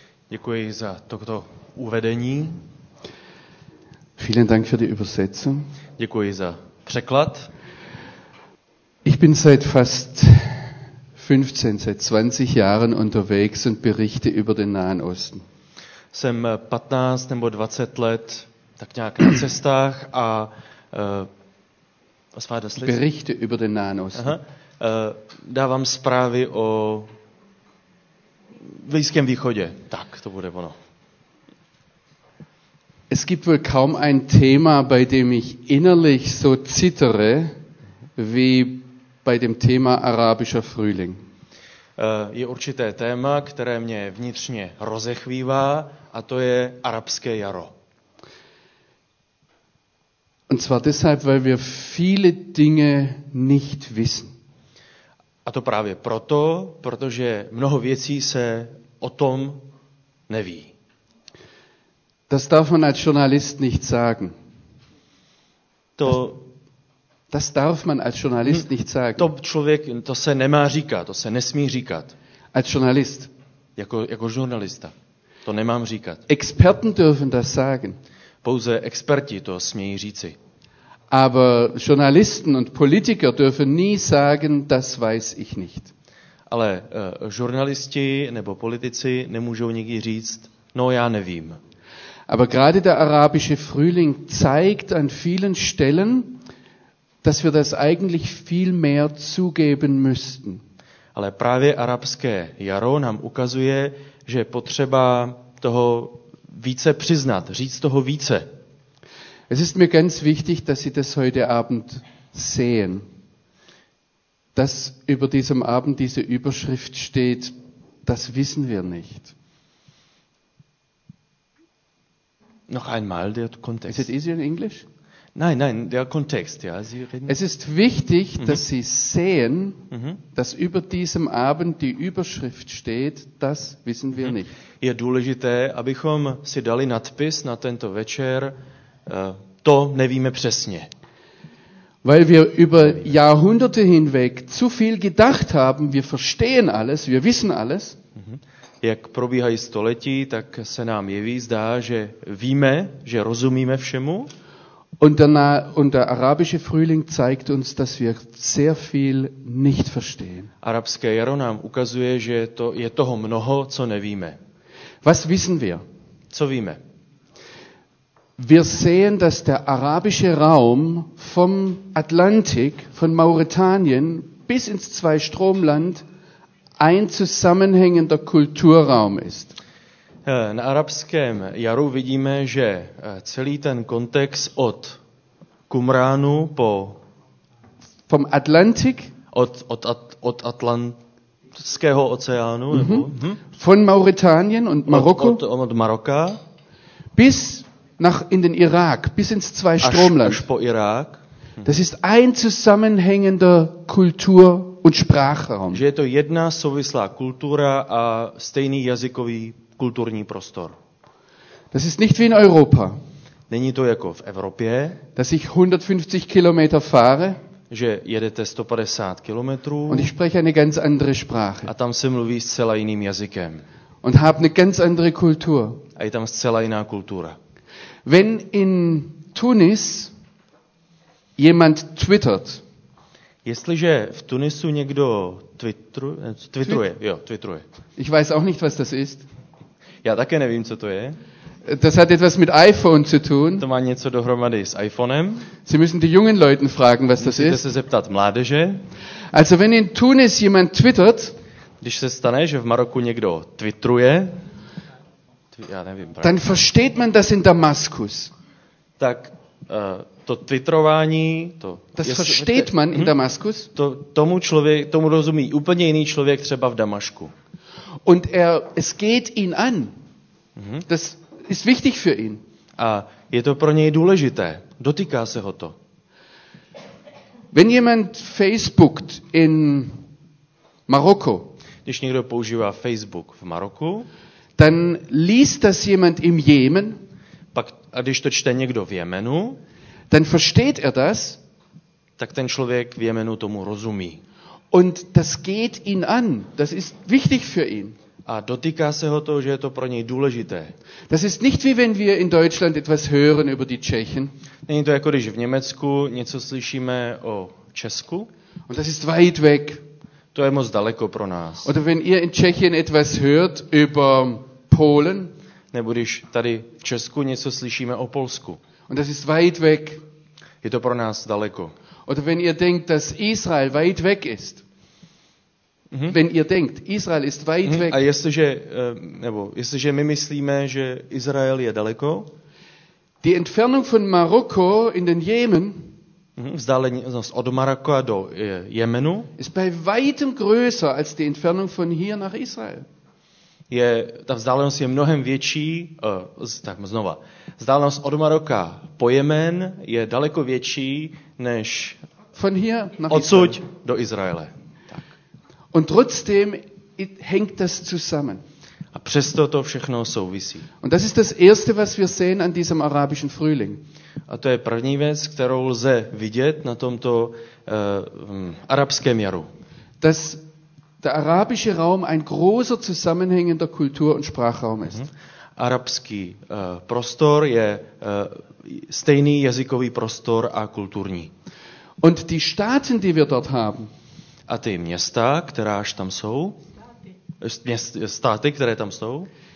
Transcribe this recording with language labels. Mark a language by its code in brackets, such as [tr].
[cs] Děkuji za toto uvedení. [de] Vielen Dank für die Übersetzung. [cs] Děkuji za překlad. [de] Ich bin seit fast 15, seit 20 Jahren unterwegs und berichte über den Nahen Osten. [cs] Jsem 15 nebo 20 let tak nějak na cestách a [de] was war das? Berichte über den Nahen Osten. [cs] Dávám zprávy o Blízkém východě. Tak, to bude ono. [de] Es gibt wohl kaum ein Thema, bei dem ich innerlich so zittere, wie bei dem Thema arabischer Frühling. [cs] Je určité téma, které mě vnitřně rozechvívá, a to je arabské jaro. [de] Und zwar deshalb, weil wir viele Dinge nicht wissen. [cs] A to právě proto, protože mnoho věcí se o tom neví. [de] Das darf man als Journalist nicht sagen. Das darf man als Journalist nicht sagen. [cs] To člověk, to se nemá říkat, to se nesmí říkat. [de] Als Journalist. [cs] Jako žurnalista. To nemám říkat. [de] Experten dürfen das sagen. [cs] Pouze experti to smějí říci. [de] Aber Journalisten und Politiker dürfen nie sagen, das weiß ich nicht. [cs] Ale žurnalisti nebo politici nemůžou nikdy říct, no já nevím. [de] Aber gerade der arabische Frühling zeigt an vielen Stellen, dass wir das eigentlich viel mehr zugeben müssten. [cs] Ale právě arabské jaro nám ukazuje, že je potřeba toho více přiznat, říct toho více. [de] Es ist mir ganz wichtig, dass Sie das heute Abend sehen, dass über diesem Abend diese Überschrift steht, das wissen wir nicht. Noch einmal der Kontext. [en] Is it easy in English? [de] Nein, der Kontext, ja. Sie reden. Es ist wichtig, dass Sie sehen, dass über diesem Abend die Überschrift steht, das wissen wir nicht. [cs] Je důležité, abychom si dali nadpis na tento večer, to nevíme přesně. [de] Weil wir über Jahrhunderte hinweg zu viel gedacht haben, wir verstehen alles, wir wissen alles. [cs] Jak probíhají století, tak se nám jeví, zdá, že víme, že rozumíme všemu. [de] Und der arabische Frühling zeigt uns, dass wir sehr viel nicht verstehen. [cs] Arabské jaro nám ukazuje, že to je toho mnoho, co nevíme. [de] Was wissen wir? [cs] Co víme? [de] Wir sehen, dass der arabische Raum vom Atlantik, von Mauretanien bis ins Zweistromland ein zusammenhängender Kulturraum ist. [cs] Na arabském jaru vidíme, že celý ten kontext od Kumránu po [de] vom Atlantik [cs] od Atlantského oceánu nebo [de] von Mauretanien und Marokko [cs] od Maroka [de] bis nach in den Irak bis ins Zweistromland. [cs] Až po Irák. [de] Das ist ein zusammenhängender Kultur- und Sprachraum. [cs] Že je to jedna souvislá kultura a stejný jazykový kulturní prostor. [de] Das ist nicht wie in Europa. [cs] Není to jako v Evropě. [de] Dass ich 150 Kilometer fahre. [cs] Že jedete 150 kilometrů. [de] Und ich spreche eine ganz andere Sprache. [cs] A tam se mluví zcela jiným jazykem. [de] Und habe eine ganz andere Kultur. [cs] A je tam zcela jiná kultura. [de] Wenn in Tunis jemand twittert. [cs] Jestliže v Tunisu někdo twitruje. [de] Ich weiß auch nicht, was das ist. [cs] Já také nevím, co to je. [de] Das hat etwas mit iPhone zu tun. [cs] To má něco dohromady s iPhonem. [de] Sie müssen die jungen Leuten fragen, was das ist. [cs] Musíte se zeptat mládeže. [de] Also wenn in Tunis jemand twittert, [cs] když se stane, že v Maroku někdo twitruje, [de] dann versteht man das in Damaskus. [cs] Tak to twitrování, to [de] das versteht man in Damaskus. [cs] Tomu rozumí úplně jiný člověk třeba v Damašku. [de] Und es geht ihn an. Das ist wichtig für ihn. [cs] A je to pro něj důležité. Dotýká se ho to. [de] Wenn jemand Facebookt in Marokko. [cs] Když někdo používá Facebook v Maroku. [de] Dann liest das jemand im Jemen. [cs] Pak, a když to čte někdo v Jemenu. [de] Dann versteht das. [cs] Tak ten člověk v Jemenu tomu rozumí. [de] Und das geht ihn an. Das ist wichtig für ihn. [cs] A dotýká se ho to, že je to pro něj důležité. [de] Das ist nicht wie wenn wir in Deutschland etwas hören über die Tschechen. [cs] Není to jako když v Německu něco slyšíme o Česku. [de] Und das ist weit weg. [cs] To je moc daleko pro nás. [de] Oder wenn ihr in Tschechien etwas hört über Polen. [cs] Nebo když tady v Česku něco slyšíme o Polsku. [de] Und das ist weit weg. [cs] Je to pro nás daleko. [de] Oder wenn ihr denkt, dass Israel weit weg ist. Wenn ihr denkt, Israel ist weit weg. [cs] A jestliže, nebo jestliže my myslíme, že Izrael je daleko. [de] Die Entfernung von Marokko in den Jemen. [cs] Vzdálenost od Maroka do Jemenu. [de] Ist bei weitem größer als die Entfernung von hier nach Israel. [cs] Je, ta vzdálenost je mnohem větší, tak znova. Vzdálenost od Maroka po Jemen je daleko větší než [de] von hier nach [cs] odsud Israel. Do Izraele. [de] Und trotzdem hängt das zusammen. [cs] A přesto to všechno souvisí. [de] Und das ist das erste, was wir sehen an diesem arabischen Frühling. [cs] A to je první věc, kterou lze vidět na tomto arabském jaru. [de] Dass der arabische Raum ein großer zusammenhängender Kultur- und Sprachraum ist. [cs] Arabský prostor je stejný jazykový prostor a kulturní. [de] Und die Staaten, die wir dort haben, [cs] a ty města, která až tam jsou, státy, které tam jsou,